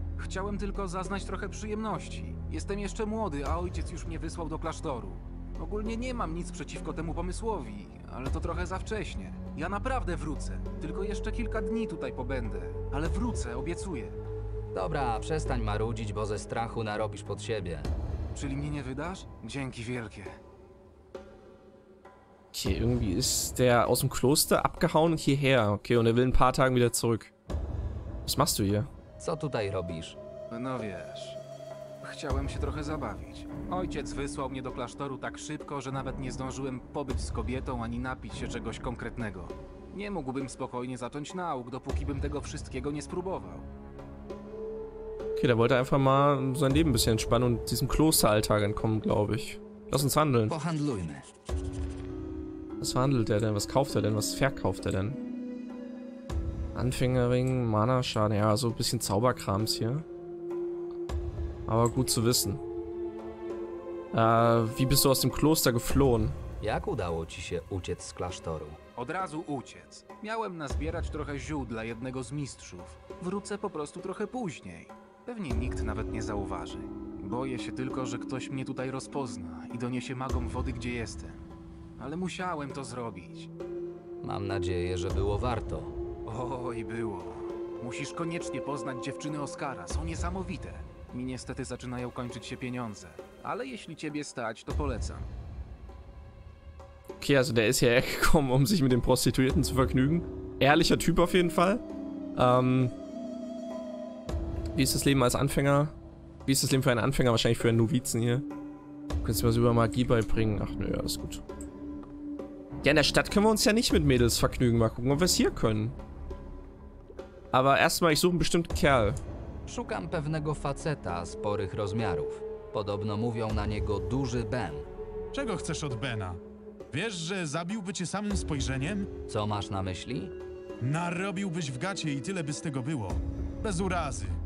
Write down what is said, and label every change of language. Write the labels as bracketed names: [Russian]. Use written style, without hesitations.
[Polish] Chciałem tylko zaznać trochę przyjemności. Jestem jeszcze młody, a ojciec już mnie wysłał do klasztoru. Ogólnie nie mam nic przeciwko temu pomysłowi, ale to trochę za wcześnie. Ja naprawdę wrócę. Tylko jeszcze kilka dni tutaj pobędę. Ale wrócę, obiecuję. Dobra, przestań marudzić, bo ze strachu narobisz pod siebie. Czyli mnie nie wydasz? Dzięki wielkie. [German] Okay, irgendwie ist der aus dem Kloster abgehauen und hierher. Okay, und er will ein paar Tage wieder zurück. Was machst du hier? [Polish] Co tutaj robisz? No wiesz, chciałem się trochę zabawić. Ojciec wysłał mnie do klasztoru tak szybko, że nawet nie zdążyłem pobyć z kobietą ani napić się czegoś konkretnego. Nie mógłbym spokojnie zacząć nauk, dopóki bym tego wszystkiego nie spróbował. [German] Okay, der wollte einfach mal sein Leben ein bisschen entspannen und diesem Klosteralltag entkommen, glaube ich. Lass uns handeln. [Polish] Pohandlujmy. [German] Was verhandelt er denn? Was kauft er denn? Was verkauft er denn? Anfängerring, Mana-Schaden, ja, so ein bisschen Zauberkrams hier. Aber gut zu wissen. Wie bist du aus dem Kloster geflohen? [Polish] Jak udało ci się uciec z klasztoru? Od razu uciec. Miałem nazbierać trochę ziół dla jednego z mistrzów. Wrócę po prostu trochę później. Pewnie nikt nawet nie zauważy. Boję się tylko, że ktoś mnie tutaj rozpozna i doniesie magom wody, gdzie jestem. Ale musiałem to zrobić. Mam nadzieję, że było warto. Oj, było. Musisz koniecznie poznać dziewczyny Oskara. Są niesamowite. Mi niestety zaczynają kończyć się pieniądze. Ale jeśli ciebie stać, to polecam. [German] Okay, also der ist ja gekommen, um sich mit den Prostituierten zu vergnügen. Ehrlicher Typ auf jeden Fall. Wie ist das Leben als Anfänger? Wie ist das Leben für einen Anfänger? Wahrscheinlich für einen Novizen hier. Du kannst mir was über Magie beibringen. Ach nö, alles gut. Ja, in der Stadt können wir uns ja nicht mit Mädels vergnügen. Mal gucken, ob wir es hier können. Aber erstmal, ich suche einen bestimmten Kerl. [Polish] Szukam pewnego faceta sporych rozmiarów. Podobno mówią na niego duży Ben. Czego chcesz od Bena? Wiesz, że zabiłby cię samym spojrzeniem? Co masz na myśli? Narobiłbyś w gacie i tyle by z tego było. Bez urazy.